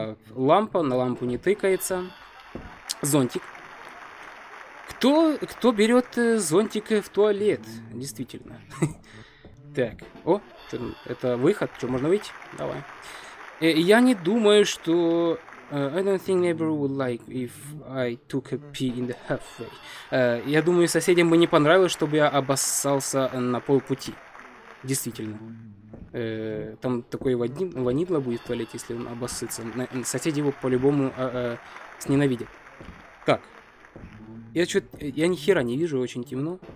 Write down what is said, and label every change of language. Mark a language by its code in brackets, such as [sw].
[ru] Лампа, на лампу не тыкается. Зонтик. Кто берет зонтик в туалет? Действительно. Так, о, это выход, что, можно выйти? Давай. Я не думаю, что... [en] I don't think neighbor would like if I took a pee in the halfway. [ru] Я думаю, соседям бы не понравилось, чтобы я обоссался на полпути. Действительно. Там такой ванидло будет в туалете, если он обоссится. Соседи его по-любому сненавидят. Так. Я что-то... Я ни хера не вижу, очень темно.